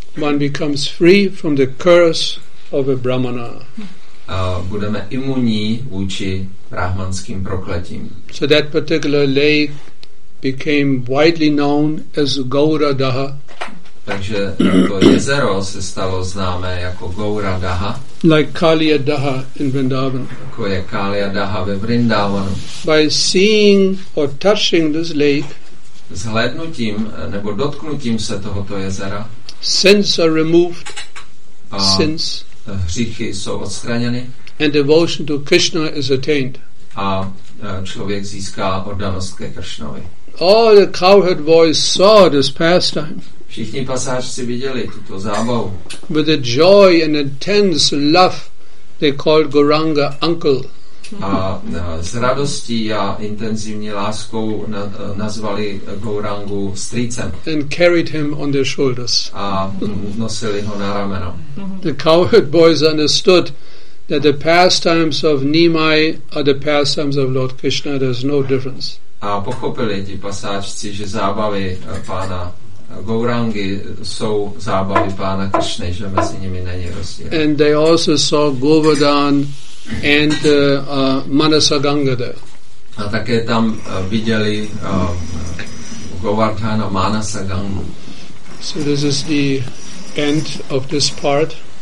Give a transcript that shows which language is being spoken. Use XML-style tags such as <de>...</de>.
<en>one becomes free from the curse of a brahmana.</en> <cs>A budeme imunní vůči brahmanským prokletím.</cs> <en>So that particular lake became widely known as Gauradaha.</en> <cs>Takže to jezero se stalo známé jako Gauradaha.</cs> <en>Like Kaliya Daha in Vrindavan.</en> <cs>Jako je Kaliya Daha ve Vrindavanu.</cs> <en>By seeing or touching this lake,</en> <cs>zhlédnutím nebo dotknutím se tohoto jezera,</cs> <en>sins are removed,</en> <cs>a</cs> <en>sins,</en> <cs>hříchy jsou odstraněny,</cs> <en>and devotion to Krishna is attained.</en> <cs>A člověk získá oddanost ke Kršnovi.</cs> <en>All the cowherd boys saw this pastime.</en> <cs>Všichni pasážci viděli tuto zábavu.</cs> <en>With a joy and intense love, they called Gauranga uncle.</en> <cs>A s radostí a intenzivní láskou nazvali Gaurangu strýcem.</cs> <en>And carried him on their shoulders.</en> <cs>A nosili ho na rameno.</cs> <en>The cowherd boys understood that the pastimes of Nimai are the pastimes of Lord Krishna. There's no difference.</en> <cs>A pochopili ti pasážci, že zábavy pána Gaurangi jsou zábavy pána Krishna, že mezi nimi není rozdíl.</cs> <en>And they also saw Govardhan and Manasa Ganga there.</en> <cs>A také tam viděli Govardhan a Manasa Ganga.</cs> <en>So this is the end of this part.</en>